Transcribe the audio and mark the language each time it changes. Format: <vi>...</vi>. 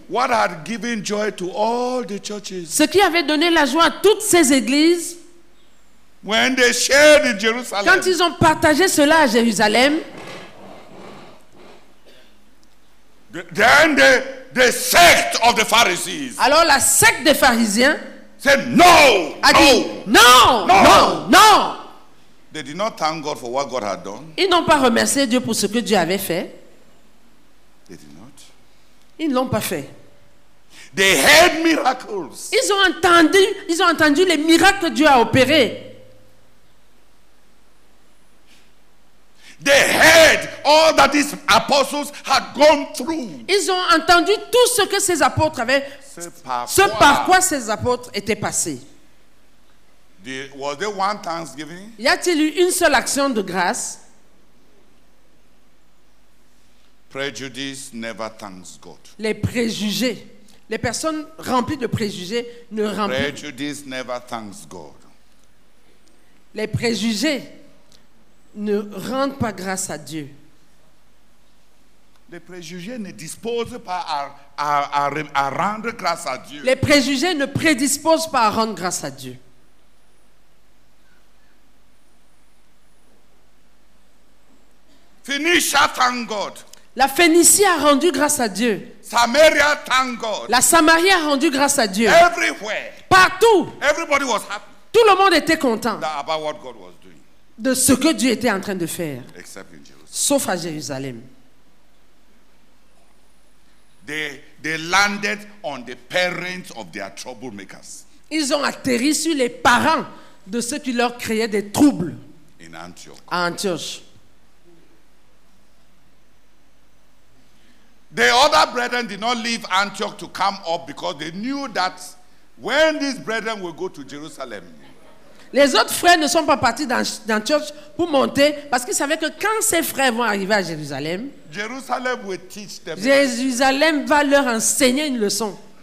<en>What had given joy to all the churches.</en> <fr>Ce qui avait donné la joie à toutes ces églises.</fr> <en>When they shared in Jerusalem.</en> <fr>Quand ils ont partagé cela à Jérusalem.</fr> <en>Then the sect of the Pharisees.</en> <fr>Alors la secte des pharisiens.</fr> <en>Said no,</en> <fr>dit,</fr> <en>no, no, no, no, no. They did not thank God for what God had done.</en> <fr>Ils n'ont pas remercié Dieu pour ce que Dieu avait fait.</fr> <en>They did not.</en> <fr>Ils ne l'ont pas fait.</fr> <en>They heard miracles.</en> <fr>Ils ont entendu les miracles que Dieu a opérés.</fr> <en>They heard all that these apostles had gone through.</en> <fr>Ils ont entendu tout ce que ces apôtres avaient. Ce par quoi ces apôtres étaient passés.</fr> <en>Was there one thanksgiving?</en> <fr>Y a-t-il eu une seule action de grâce?</fr> <en>Prejudice never thanks God.</en> <fr>Les préjugés, les personnes remplies de préjugés ne remplissent.</fr> <en>Prejudice never thanks God.</en> <fr>Les préjugés ne rendent pas grâce à Dieu. Les préjugés ne disposent pas à rendre grâce à Dieu. Les préjugés ne prédisposent pas à rendre grâce à Dieu.</fr> <en>Phoenicia, thank God.</en> <fr>La Phénicie a rendu grâce à Dieu.</fr> <en>Samaria, thank God.</en> <fr>La Samarie a rendu grâce à Dieu.</fr> <en>Everywhere.</en> <fr>Partout.</fr> <en>Everybody was happy.</en> <fr>Tout le monde était content.</fr> <en>About what God was doing.</en> <fr>De ce que Dieu était en train de faire.</fr> <en>Except in Jerusalem.</en> <fr>Sauf à Jérusalem.</fr> <en>They landed on the parents of their troublemakers.</en> <fr>Ils ont atterri sur les parents de ceux qui leur créaient des troubles.</fr> <en>In Antioch.</en> <fr>À Antioche.</fr> <en>The other brethren did not leave Antioch to come up because they knew that when these brethren will go to Jerusalem.</en> <fr>Les autres frères ne sont pas partis d'Antioche pour monter parce qu'ils savaient que quand ces frères vont arriver à Jérusalem,</fr> <en>Jerusalem will teach them.</en> <fr>Jérusalem va leur enseigner une leçon.</fr>